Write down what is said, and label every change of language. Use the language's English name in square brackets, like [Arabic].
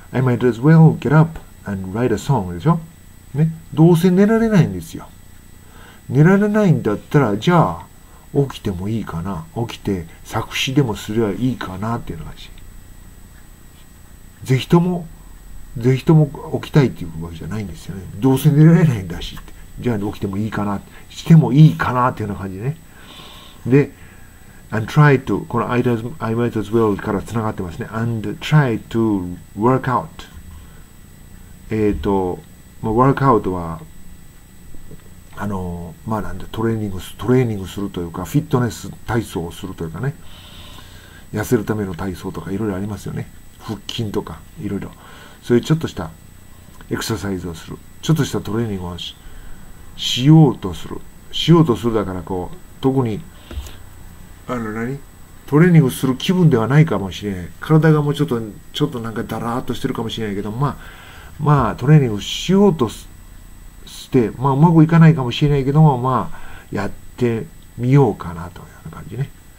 [English] I might as well get up and write a song [Japanese] でしょ、ね、どうせ寝られないんですよ。寝られないんだったら、じゃあ起きてもいいかな、起きて作詞でもすればいいかなっていうのがし、ぜひとも起きたいっていうわけじゃないんですよね。どうせ寝られないんだし、じゃあ起きてもいいかな、してもいいかなっていうような感じね。で、 [English] and try to、 [Japanese] この [English] I might as well [Japanese] からつながってますね。 [English] and try to work out。 [Japanese] work out は、まあなんだ、トレーニングするというか、フィットネス体操をするというかね、痩せるための体操とかいろいろありますよね。腹筋とかいろいろ。そういうちょっとしたエクササイズをする、ちょっとしたトレーニングを しようとするだから、こう特にあの何トレーニングする気分ではないかもしれない、体がもうちょっとなんかだらーっとしてるかもしれないけど、まあトレーニングしようとして、まあ、うまくいかないかもしれないけども、まあやってみようかなというような感じね。